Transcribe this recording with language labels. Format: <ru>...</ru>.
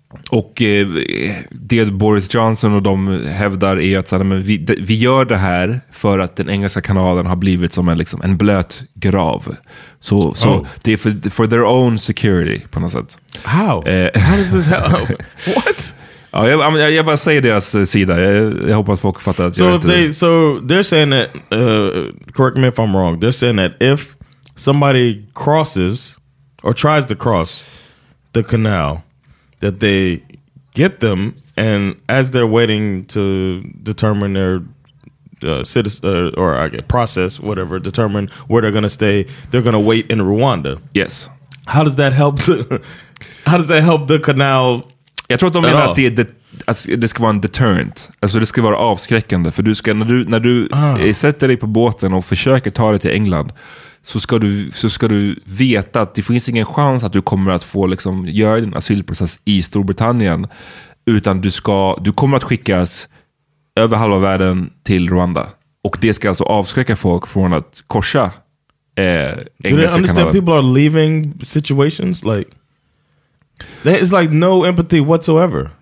<sv>Och det Boris Johnson och de hävdar är att så här, men vi gör det här för att den engelska kanalen har blivit som en, liksom, en blöt grav. Så det är</sv> <en>for their own security</en> <sv>på något sätt.</sv> <en>How? How does this help? What?</en> <sv>Ja, jag bara säger deras sida. Jag hoppas folk fattar.</sv> <en>So they're saying that, correct me if I'm wrong, they're saying that if somebody crosses or tries to cross the canal, that they get them, and as they're waiting to determine their process, whatever, determine where they're going to stay, they're going to wait in Rwanda. Yes. How does that help? How does that help the canal?</en> <sv>Jag tror att de menar att det ska vara en deterrent. Alltså det ska vara avskräckande, för du ska när du sätter dig på båten och försöker ta dig till England, Så ska du veta att det finns ingen chans att du kommer att få liksom göra din asylprocess i Storbritannien, utan du kommer att skickas över halva världen till Rwanda, och det ska alltså avskräcka folk från att korsa engelska kanalen.</sv> <en>Do you understand people are leaving situations like there is like no empathy whatsoever?</en>